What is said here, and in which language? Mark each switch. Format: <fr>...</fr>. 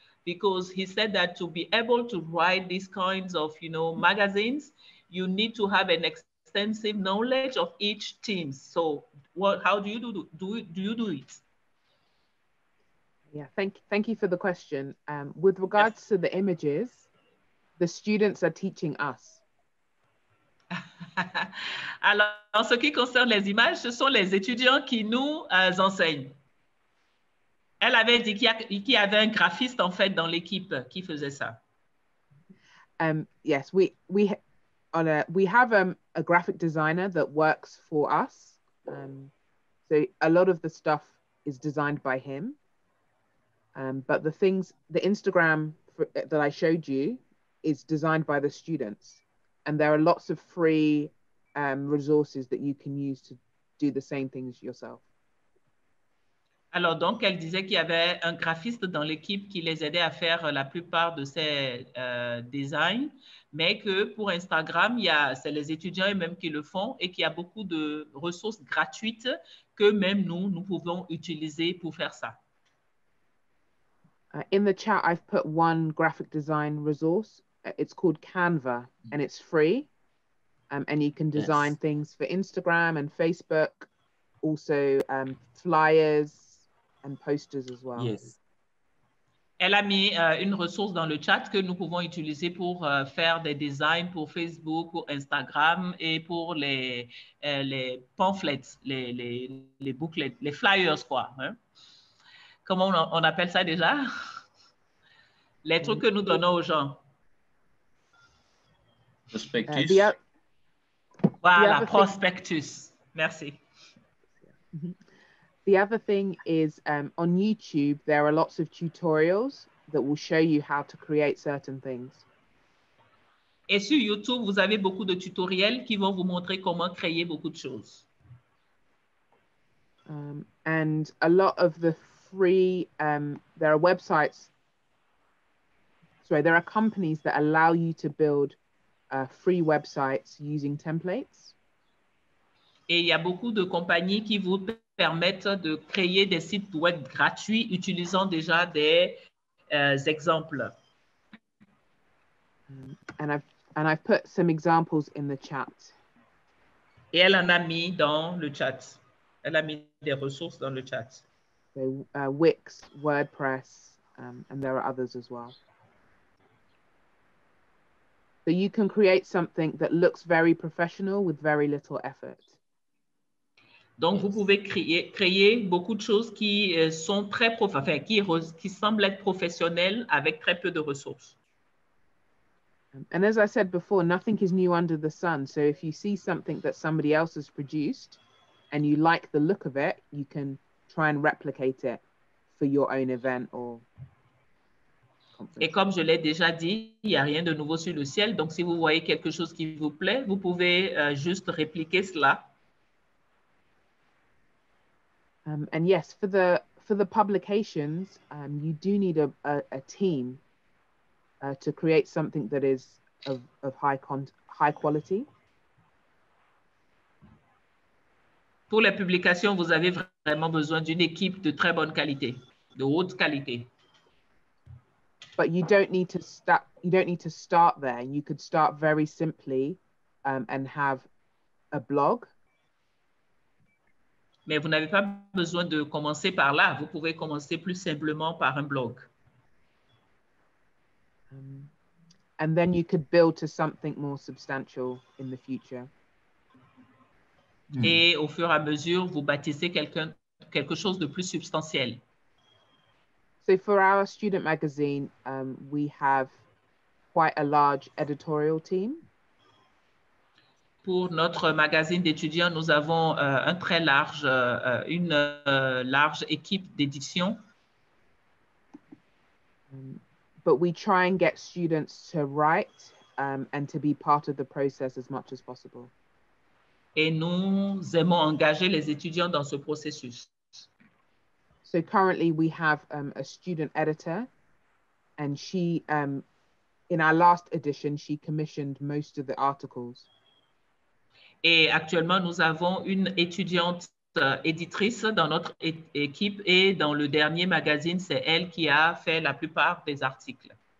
<en>Because he said that to be able to write these kinds of, you know, magazines, you need to have an extensive knowledge of each team. So what, how do you do it? Yeah, thank you for the question. With regards to the images, the students are teaching us.</en> <fr>Alors, en ce qui concerne les images, ce sont les étudiants qui nous enseignent. Elle avait dit qu'il y avait un graphiste, en fait, dans l'équipe qui faisait ça.</fr> <en>Yes, we have a graphic designer that works for us. So a lot of the stuff is designed by him. But the Instagram that I showed you is designed by the students. And there are lots of free resources that you can use to do the same things yourself.</en> <fr>Alors donc, elle disait qu'il y avait un graphiste dans l'équipe qui les aidait à faire la plupart de ces designs, mais que pour Instagram, c'est les étudiants eux-mêmes qui le font et qu'il y a beaucoup de ressources gratuites que même nous pouvons utiliser pour faire ça.</fr> <en>In the chat, I've put one graphic design resource. It's called Canva, and it's free. And you can design things for Instagram and Facebook, also flyers and posters as well. Yes.</en> <fr>Elle a mis une ressource dans le chat que nous pouvons utiliser pour faire des designs pour Facebook, pour Instagram et pour les pamphlets, les booklets, les flyers, quoi. Hein? Comment on appelle ça déjà? Les trucs que nous donnons aux gens. Prospectus. Merci.</fr> <en>The other thing is on YouTube, there are lots of tutorials that will show you how to create certain things.</en> <fr>Et sur YouTube, vous avez beaucoup de tutoriels qui vont vous montrer comment créer beaucoup de choses.</fr> <en>And a lot of the free, there are websites, sorry, there are companies that allow you to build free websites using templates.</en> <fr>Et il y a beaucoup de compagnies qui vous permettent de créer des sites web gratuits utilisant déjà des exemples.</fr> <en>And I've put some examples in the chat.</en> <fr>Et elle en a mis dans le chat. Elle a mis des ressources dans le chat.</fr> <en>So, Wix, WordPress, and there are others as well. So you can create something that looks very professional with very little effort.</en> <fr>Donc vous pouvez créer beaucoup de choses qui sont très qui semblent être professionnelles avec très peu de ressources.</fr> <en>And as I said before, nothing is new under the sun. So if you see something that somebody else has produced, and you like the look of it, you can try and replicate it for your own event or conference.</en> <fr>Et comme je l'ai déjà dit, il y a rien de nouveau sur le ciel, donc si vous voyez quelque chose qui vous plaît, vous pouvez juste répliquer cela.</fr> <en>And yes, for the publications, you do need a team to create something that is of high quality.</en> <fr>Pour les publications, vous avez vraiment besoin d'une équipe de très bonne qualité, de haute qualité.</fr> <en>But you don't need to start. You don't need to start there. You could start very simply and have a blog.</en> <fr>Mais vous n'avez pas besoin de commencer par là. Vous pouvez commencer plus simplement par un blog.</fr> <en>And then you could build to something more substantial in the future.</en> <fr>Et au fur et à mesure, vous bâtissez quelque chose de plus substantiel.</fr> <en>So for our student magazine, we have quite a large editorial team.</en> <fr>Pour notre magazine d'étudiants, nous avons une large équipe d'édition.</fr> <en>But we try and get students to write and to be part of the process as much as possible.</en> <fr>Et nous aimons engager les étudiants dans ce processus.</fr> <en>So currently we have a student editor, and she, in our last edition, she commissioned most of the articles.</en> <fr>Et actuellement, nous avons une étudiante éditrice dans notre équipe et dans le dernier magazine, c'est elle qui a fait la plupart des articles.</fr>